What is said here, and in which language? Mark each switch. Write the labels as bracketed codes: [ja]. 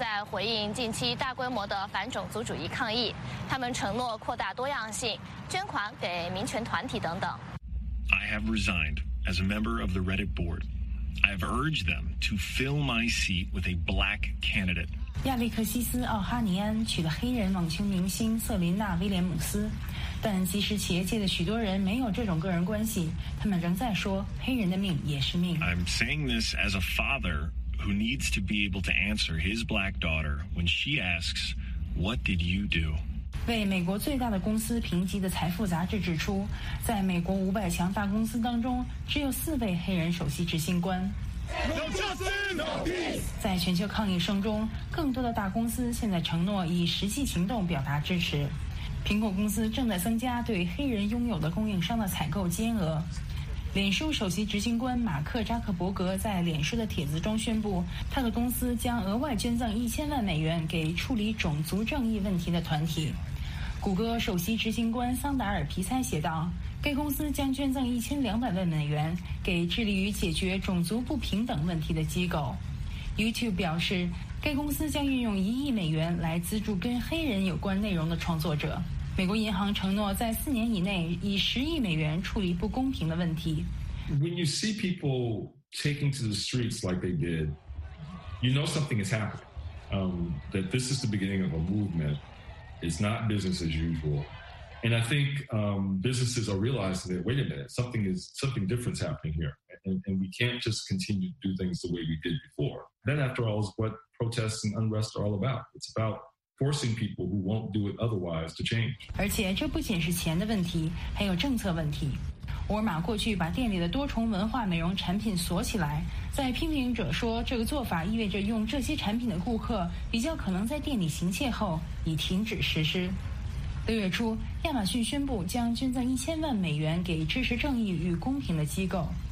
[zh] 回应近期大规模的反种族主义抗议，他们承诺扩大多样性，捐款给民权团体等等。 [en] I have resigned as a member of the Reddit board. I have urged them to fill my seat with a black candidate. [zh] 亚历克西斯·奥哈尼安娶了黑人网球明星瑟琳娜·威廉姆斯，但即使企业界的许多人没有这种个人关系，他们仍在说黑人的命也是命。 [en] I'm saying this as a father who needs to be able to answer his black daughter when she asks, "What did you do?" [zh] 为美国最大的公司评级的财富杂志指出，在美国五百强大公司当中，只有四位黑人首席执行官。 [en] No justice, no peace。 [zh] 在全球抗议声中，更多的大公司现在承诺以实际行动表达支持。苹果公司正在增加对黑人拥有的供应商的采购金额。脸书首席执行官马克扎克伯格在脸书的帖子中宣布，他的公司将额外捐赠$1,000,000给处理种族正义问题的团体。谷歌首席执行官桑达尔皮塞写道，该公司将捐赠$1,200,000给致力于解决种族不平等问题的机构。 YouTube 表示，该公司将运用$1,000,000来资助跟黑人有关内容的创作者。美国银行承诺在四年以内以$10,000,000处理不公平的问题。 [en] When you see people taking to the streets like they did, you know something has happened. That this is the beginning of a movement. It's not business as usual. And I think businesses are realizing that, wait a minute, something different is happening here. And we can't just continue to do things the way we did before. That, after all, is what protests and unrest are all about. It's about forcing people who won't do it otherwise to change. [zh] 而且这不仅是钱的问题，还有政策问题。沃尔玛过去把店里的多重文化美容产品锁起来，在批评者说这个做法意味着用这些产品的顾客比较可能在店里行窃后已停止实施。六月初，亚马逊宣布将捐赠$1,000,000给支持正义与公平的机构。